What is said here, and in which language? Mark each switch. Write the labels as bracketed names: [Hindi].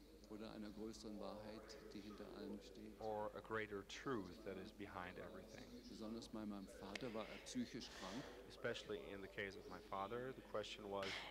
[German] oder einer größeren Wahrheit, die hinter allem steht. [English] Or a greater truth that is behind everything. [German] Besonders bei meinem Vater war er psychisch krank. [English] Especially in the case of my father, the question was,